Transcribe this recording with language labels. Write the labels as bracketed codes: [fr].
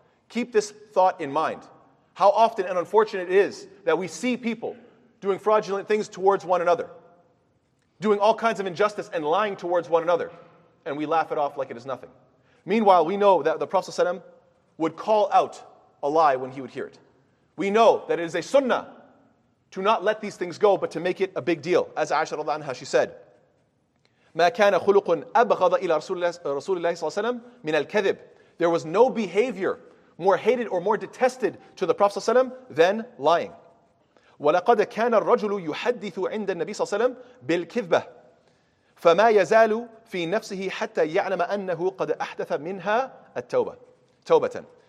[en] Keep this thought in mind. How often and unfortunate it is that we see people doing fraudulent things towards one another, doing all kinds of injustice and lying towards one another, and we laugh it off like it is nothing. Meanwhile, we know that the Prophet ﷺ would call out a lie when he would hear it. We know that it is a sunnah to not let these things go, but to make it a big deal. As Aisha [ar] رضي الله عنها, [en] she said, [ar] مَا كَانَ خُلُقٌ أَبْغَضَ إِلَى رَسُولِ اللَّهِ صَلَّى اللَّهُ عَلَيْهِ وَسَلَّمَ مِنَ الْكَذِبِ. [en] There was no behavior more hated or more detested to the Prophet ﷺ than lying. [ar] وَلَقَدَ كَانَ الرَّجُلُ يُحَدِّثُ عِنْدَ النَّبِيِّ صَلَّى اللَّهُ عَلَيْهِ وَسَلَّمَ بِالْكِذْبَةِ فَمَا يَزَالُ فِي نَفْسِهِ حَتَّى يَعْلَمَ أَنَّهُ قَدْ أَحْدَثَ مِنْهَا التَّوْبَةً.